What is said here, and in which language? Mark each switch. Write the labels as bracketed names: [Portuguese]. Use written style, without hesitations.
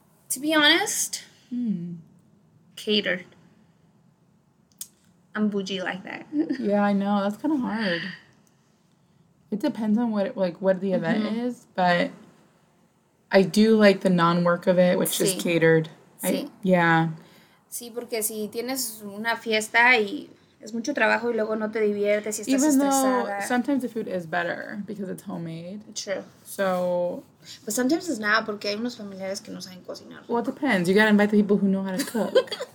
[English] To be honest, catered. I'm bougie like that. Yeah, I know. That's kind of hard. It depends on what it, like what the event mm-hmm. is, but I do like the non-work of it, which [Spanish] sí. [English] Is catered. [Spanish] Sí. [English] I, yeah. [Spanish] Sí, porque si tienes una fiesta y es mucho trabajo y luego no te diviertes y estás [English] Even [Spanish] estresada. [English] Even though sometimes the food is better because it's homemade. True. So... But sometimes it's not, [Spanish] porque hay unos familiares que no saben cocinar. [English] Well, it depends. You gotta invite the people who know how to cook.